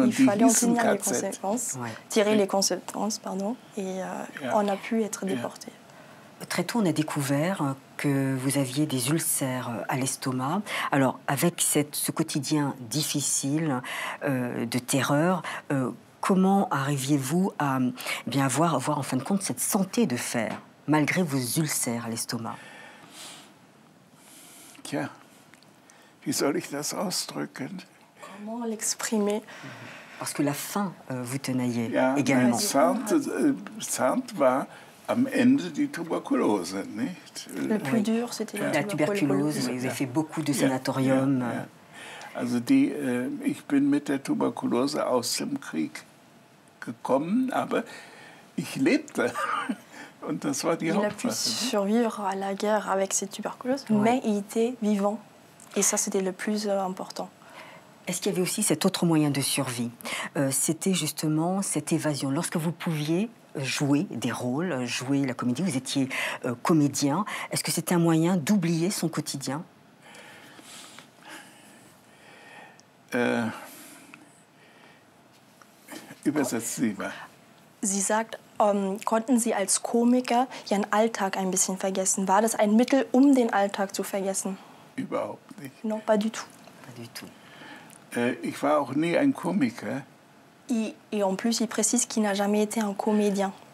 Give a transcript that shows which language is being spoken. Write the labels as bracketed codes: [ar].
[de] Und [fr] il fallait en tenir les conséquences, tirer les conséquences, pardon, et on a pu être déporté. [de] Ja. [fr] Très tôt, on a découvert que vous aviez des ulcères à l'estomac. Alors, avec ce quotidien difficile de terreur, comment arriviez-vous à bien avoir en fin de compte cette santé de fer malgré vos ulcères à l'estomac? [de] Tiens, wie soll ich das ausdrücken? [fr] Comment l'exprimer? Parce que la faim vous tenaillait également. [de] Ja, sainte war am Ende die Tuberkulose, nicht? [fr] Le plus dur, c'était la [de] Tuberkulose. [fr] Vous avez fait beaucoup de sanatorium. [de] Also die, ich bin mit der Tuberkulose aus dem Krieg gekommen, aber ich lebte. Und das war die Hauptsache. [fr] Il a pu survivre à la guerre avec cette tuberculose, mais il était vivant. Et ça, c'était le plus important. Est-ce qu'il y avait aussi cet autre moyen de survie? C'était justement cette évasion. Lorsque vous pouviez jouer des rôles, jouer la comédie, vous étiez comédien. Est-ce que c'était un moyen d'oublier son quotidien? [de] Übersetzen Sie mal. Sie sagt, konnten Sie als Komiker Ihren Alltag ein bisschen vergessen? War das ein Mittel, um den Alltag zu vergessen? Überhaupt nicht. [fr] Non, pas du tout. Pas du tout. [de] Ich war auch nie ein Komiker. [fr] Et en plus, il précise qu'il n'a jamais été un comédien.